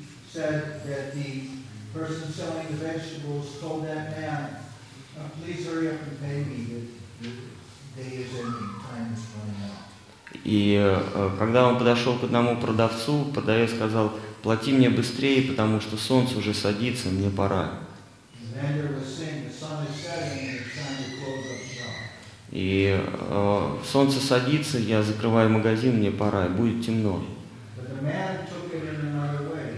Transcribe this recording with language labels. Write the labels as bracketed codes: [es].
[en] Person selling the vegetables told that man, please hurry up and pay me, the day is ending, time is running out. [ru] И когда он подошел к одному продавцу, продавец сказал, плати мне быстрее, потому что солнце уже садится, мне пора. [en] The vendor was saying, the sun is setting, it's time to close up shop. [ru] И солнце садится, я закрываю магазин, мне пора, и будет темно. [en] But the man took it in another way.